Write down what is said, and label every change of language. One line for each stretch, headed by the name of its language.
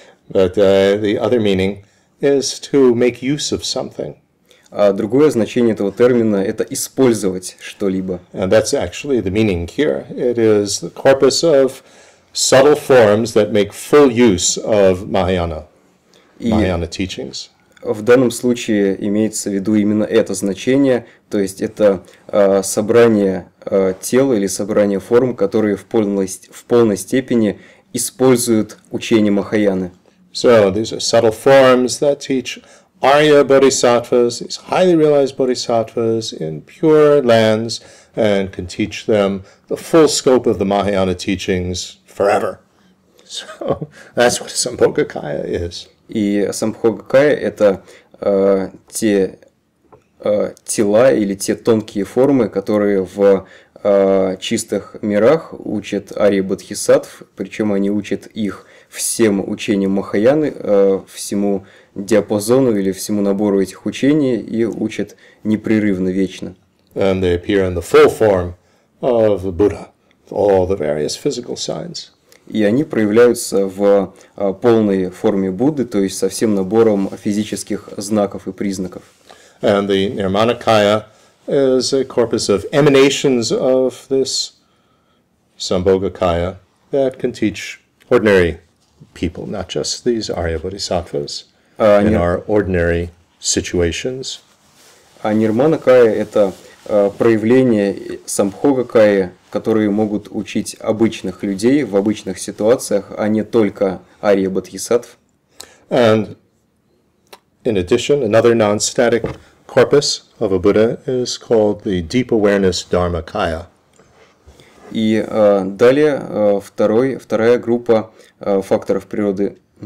English: But the other meaning is to make use of something.
Russian: А другое значение этого термина – это использовать что-либо.
English: And that's actually the meaning here. It is the corpus of subtle forms that make full use of Mahayana teachings.
Russian: в данном случае имеется в виду именно это значение, то есть это собрание тела или собрание форм, которые в полной степени используют учение Махаяны.
English: So these are subtle forms that teach Arya Bodhisattvas, these highly realized Bodhisattvas in pure lands, and can teach them the full scope of the Mahayana teachings forever. So that's what Sambhogakaya is.
Russian: И Сампхогакая – это тела или те тонкие формы, которые в чистых мирах учат Арьи Бодхисаттв, причем они учат их всем учениям Махаяны, всему диапазону или всему набору этих учений, и учат непрерывно, вечно.
English: And they appear in the full form of the Buddha, all the various physical signs.
Russian: И они проявляются в полной форме Будды, то есть со всем набором физических знаков и признаков.
English: And the Nirmanakaya is a corpus of emanations of this Sambhogakaya that can teach ordinary people, not just these Arya Bodhisattvas, in our ordinary situations.
Russian: А Нирманакая – это проявление Сампхогакаи, которые могут учить обычных людей в обычных ситуациях, а не только Арья Бодхисаттв.
English: And in addition, another non-static corpus of a Buddha is called the Deep Awareness Dharmakaya.
Russian: И далее вторая группа факторов природы.